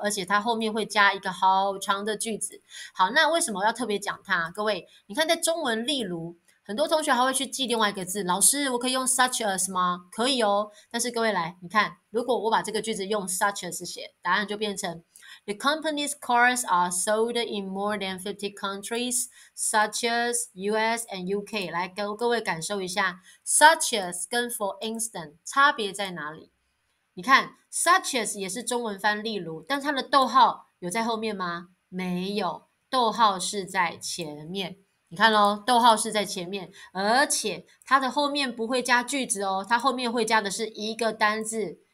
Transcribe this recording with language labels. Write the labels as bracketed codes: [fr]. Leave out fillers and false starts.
[zh] 而且它后面会加一个好长的句子。好，那为什么要特别讲它？各位，你看在中文，例如很多同学还会去记另外一个字。老师，我可以用 such as 吗？可以哦。但是各位来，你看，如果我把这个句子用 such as 写，答案就变成。 [en] The company's cars are sold in more than 50 countries, such as US and UK. [zh] 来，各位感受一下，such as 跟 for instance 差别在哪里？你看，such as 也是中文翻例如，但它的逗号有在后面吗？没有，逗号是在前面。你看咯，逗号是在前面，而且它的后面不会加句子哦，它后面会加的是一个单字。